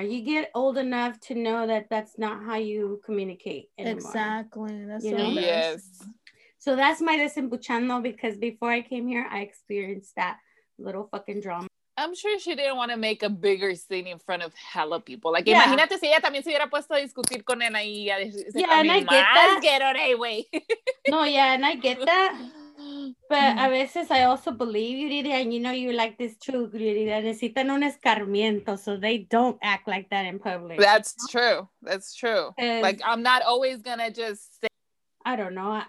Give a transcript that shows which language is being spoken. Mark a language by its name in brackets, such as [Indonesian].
[English] You get old enough to know that that's not how you communicate anymore. Exactly. That's what yes, so that's my desembuchando, because before I came here I experienced that little fucking drama. I'm sure she didn't want to make a bigger scene in front of hella people. Like, yeah. [Spanish] Imagínate si ella también se hubiera puesto a discutir con él ahí. [English] Yeah, and I get that. Get out of my way. No, yeah, and I get that. But [Spanish] a veces [English] I also believe you, Lidia, and you know you like this too, Lidia. [Spanish] Necesitan un escarmiento, [English] so they don't act like that in public. That's true. That's true. Like, I'm not always going to just say. I don't know.